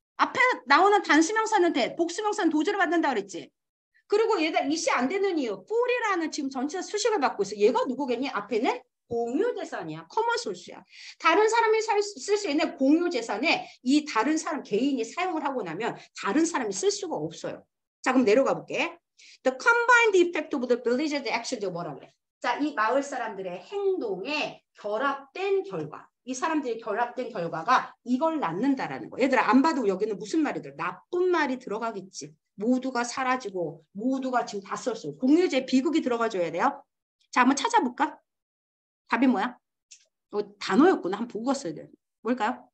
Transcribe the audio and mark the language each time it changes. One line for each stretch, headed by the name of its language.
Korean: 앞에 나오는 단수명사는 돼. 복수명사는 도저히 받는다 그랬지. 그리고 얘가 is 안 되는 이유. for이라는 지금 전체 수식을 받고 있어. 얘가 누구겠니? 앞에는 공유재산이야. 커먼소스야. 다른 사람이 쓸 수 있는 공유재산에 이 다른 사람 개인이 사용을 하고 나면 다른 사람이 쓸 수가 없어요. 자 그럼 내려가 볼게.
English: The combined effect of the village's actions
Korean: 뭐라고 해? 자, 이 마을 사람들의 행동에 결합된 결과. 이 사람들이 결합된 결과가 이걸 낳는다라는 거. 얘들아 안 봐도 여기는 무슨 말이 들어? 나쁜 말이 들어가겠지. 모두가 사라지고 모두가 지금 다 썼어. 공유제 비극이 들어가줘야 돼요. 자 한번 찾아볼까? 답이 뭐야? 어, 단어였구나. 한번 보고 갔어야 돼. 뭘까요?